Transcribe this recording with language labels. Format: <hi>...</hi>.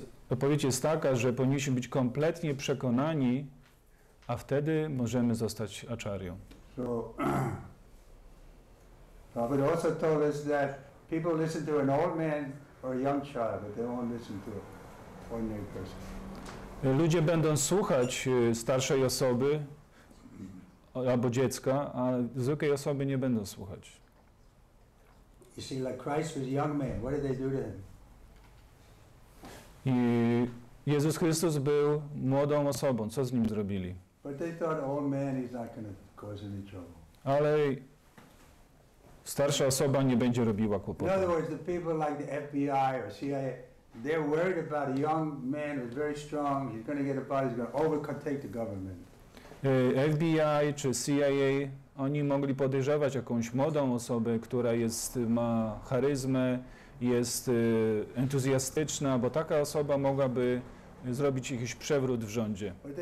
<pl>Odpowiedź jest taka, że powinniśmy być kompletnie przekonani, a wtedy możemy zostać acharią.</pl> <en>So, Prabhupada also told us that people listen to an old man or a young child, but they won't listen to an ordinary person.</en> <pl>Ludzie będą słuchać starszej osoby albo dziecka, a zwykłej osoby nie będą słuchać.</pl> <en>You see, like Christ was a young man. What did they do to him?</en> <pl>I Jezus Chrystus był młodą osobą. Co z nim zrobili?</pl> <en>But they thought, old man, he's not going to cause any trouble.</en> <pl>Ale starsza osoba nie będzie robiła kłopotu.</pl> <en>In other words, the people like the FBI or CIA, they're worried about a young man who's very strong. He's going to get a body. He's going to overtake the government.</en> <pl>FBI czy CIA, oni mogli podejrzewać jakąś młodą osobę, która ma charyzmę, jest entuzjastyczna, bo taka osoba mogłaby zrobić jakiś przewrót w rządzie.</pl>